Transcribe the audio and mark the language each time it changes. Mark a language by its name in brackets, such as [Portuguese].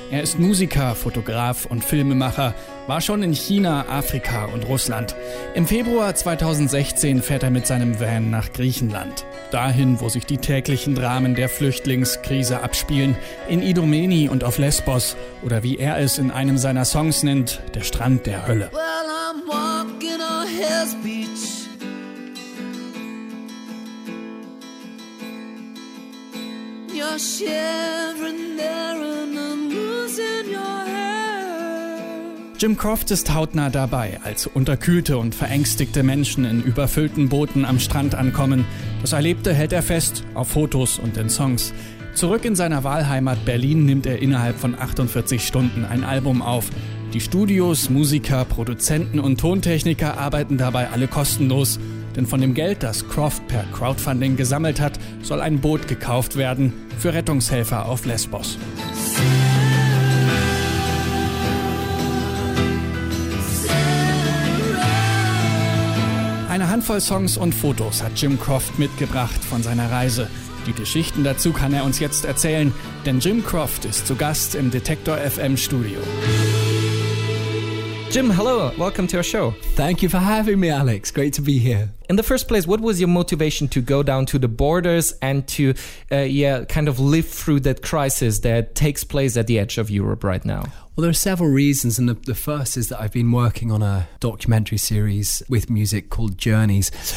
[German] Er ist Musiker, Fotograf und Filmemacher, war schon in China, Afrika und Russland. Im Februar 2016 fährt er mit seinem Van nach Griechenland. Dahin, wo sich die täglichen Dramen der Flüchtlingskrise abspielen, in Idomeni und auf Lesbos oder wie er es in einem seiner Songs nennt, der Strand der Hölle. [English] Well, I'm walking on his beach. you're shivering there and I'm losing your hair. [German] Jim Croft ist hautnah dabei, als unterkühlte und verängstigte Menschen in überfüllten Booten am Strand ankommen. Das Erlebte hält er fest, auf Fotos und in Songs. Zurück in seiner Wahlheimat Berlin nimmt er innerhalb von 48 Stunden ein Album auf. Die Studios, Musiker, Produzenten und Tontechniker arbeiten dabei alle kostenlos. Denn von dem Geld, das Croft per Crowdfunding gesammelt hat, soll ein Boot gekauft werden für Rettungshelfer auf Lesbos. Eine Handvoll Songs und Fotos hat Jim Croft mitgebracht von seiner Reise. Die Geschichten dazu kann er uns jetzt erzählen, denn Jim Croft ist zu Gast im Detektor FM Studio. [English] Jim, hello, welcome to our show. Thank you for having me, Alex. Great to be here. In the first place, what was your motivation to go down to the borders and to kind of live through that crisis that takes place at the edge of Europe right now? Well, there are several reasons, and the first is that I've been working on a documentary series with music called Journeys.